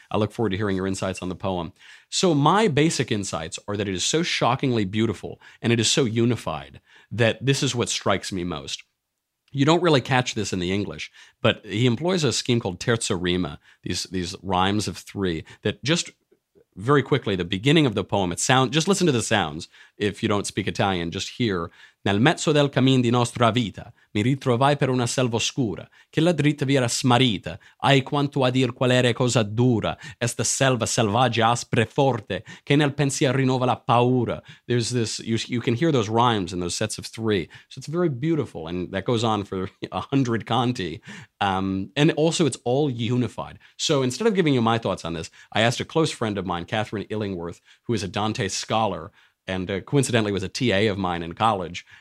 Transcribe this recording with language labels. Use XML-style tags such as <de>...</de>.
<en>I look forward to hearing your insights on the poem. So my basic insights are that it is so shockingly beautiful, and it is so unified, that this is what strikes me most. You don't really catch this in the English, but he employs a scheme called terza rima, these rhymes of three, that just very quickly, the beginning of the poem, it sounds, just listen to the sounds. If you don't speak Italian, just hear.</en> <it>Nel mezzo del cammin di nostra vita, mi ritrovai per una selva oscura, che la dritta via era smarrita. Ai quanto a dir qual era cosa dura, esta selva selvaggia aspre forte, che nel pensier rinnova la paura.</it> <en>There's this, you can hear those rhymes in those sets of three. So it's very beautiful, and that goes on for 100 canti. And also it's all unified. So instead of giving you my thoughts on this, I asked a close friend of mine, Catherine Illingworth, who is a Dante scholar, and coincidentally was a TA of mine in college.</en>